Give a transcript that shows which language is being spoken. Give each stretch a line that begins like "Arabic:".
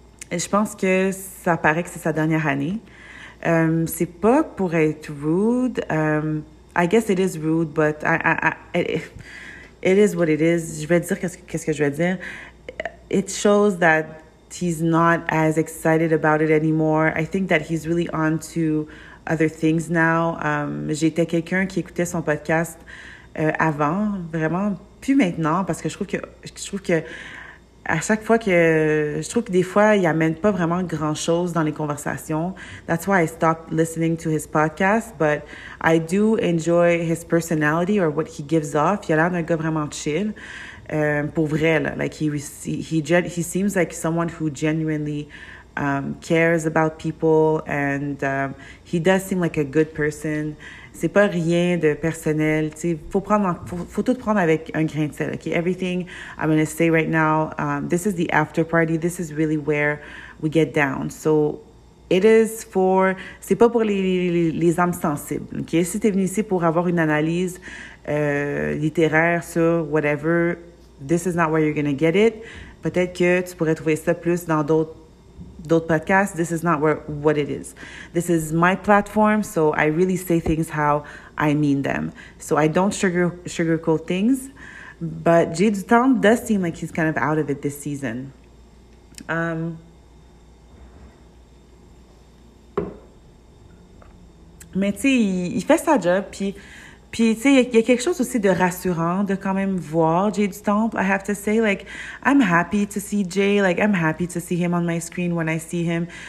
French: Je pense que ça paraît que c'est sa dernière année. C'est pas pour être rude.
English: I guess it is rude, but it is what it is.
French: Je vais dire qu'est-ce que je vais dire.
English: It shows that he's not as excited about it anymore. I think that he's really on to other things now.
French: J'étais quelqu'un qui écoutait son podcast avant, vraiment, plus maintenant, parce que je trouve que des fois, il amène pas vraiment grand-chose dans les conversations.
English: That's why I stopped listening to his podcast, but I do enjoy his personality or what he gives off.
French: Il a l'air d'un gars vraiment chill. Pour vrai, là,
English: like he seems like someone who genuinely cares about people and he does seem like a good person.
French: C'est pas rien de personnel, tu sais, faut tout prendre avec un grain de sel.
English: Okay, everything I'm gonna say right now, this is the after party. This is really where we get down. So it is for,
French: c'est pas pour les âmes sensibles. Okay, si t'es venu ici pour avoir une analyse littéraire sur whatever,
English: this is not where you're going to get it.
French: Peut-être que tu pourrais trouver ça plus dans d'autres podcasts.
English: This is not what it is. This is my platform, so I really say things how I mean them. So I don't sugarcoat things. But Jay du Temple does seem like he's kind of out of it this season.
French: Mais tu sais, il fait sa job, puis, tu sais, il y a quelque chose aussi de rassurant de quand même voir Jay du Temple.
English: I have to say, like, I'm happy to see Jay. Like, I'm happy to see him on my screen when I see him.